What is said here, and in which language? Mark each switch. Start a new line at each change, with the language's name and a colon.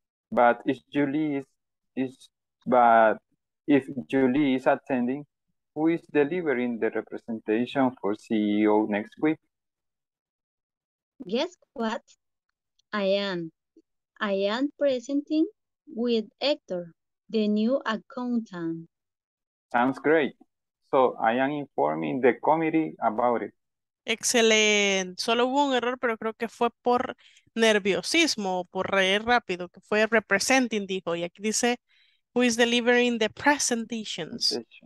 English: But if Julie is attending, who is delivering the representation for CEO next week? Guess what? I am presenting with Hector, the new accountant. Sounds great. So I am informing the committee about it.
Spanish: Excelente. Solo hubo un error, pero creo que fue por nerviosismo o por reír rápido, que fue representing, dijo. Y aquí dice,
English: who is delivering the presentations?